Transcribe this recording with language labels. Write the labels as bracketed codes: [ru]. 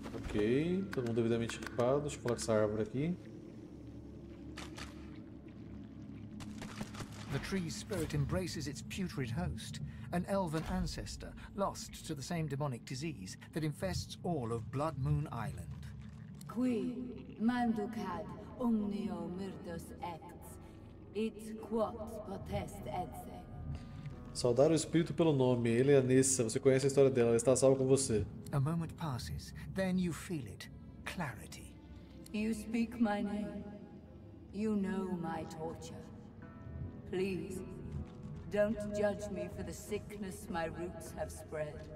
[pt] Ok. todo mundo devidamente equipado. Deixa eu colocar essa árvore aqui. [en] The tree's spirit embraces its putrid host, an elven ancestor lost to the same demonic disease that infests all of Blood Moon Island. Qui Mandukad omnio mirdus ex, it quod potest etse. [pt] Saudar o espírito pelo nome. Ele é Nissa. Você conhece a história dela. Ela está salva com você. [en] A moment passes, then you feel it. Clarity. You speak my name. You know my torture. Please, don't judge me for the sickness my roots have spread.